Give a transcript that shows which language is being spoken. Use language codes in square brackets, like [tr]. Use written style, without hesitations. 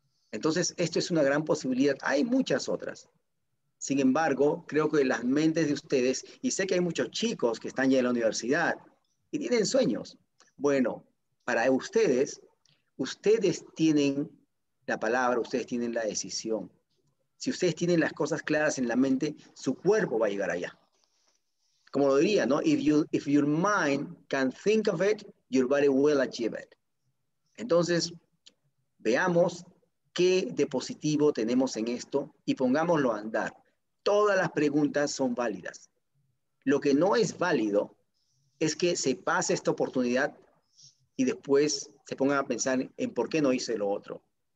[es] Entonces, esto es una gran posibilidad. Hay muchas otras. Sin embargo, creo que las mentes de ustedes, y sé que hay muchos chicos que están ya en la universidad y tienen sueños. Bueno, para ustedes, ustedes tienen la palabra, ustedes tienen la decisión. Si ustedes tienen las cosas claras en la mente, su cuerpo va a llegar allá. Como lo diría, ¿no? [en] If your mind can think of it, your body will achieve it. [es] Entonces, veamos qué de positivo tenemos en esto y pongámoslo a andar. Todas las preguntas son válidas. Lo que no es válido es que se pase esta oportunidad y después se pongan a pensar en por qué no hice lo otro.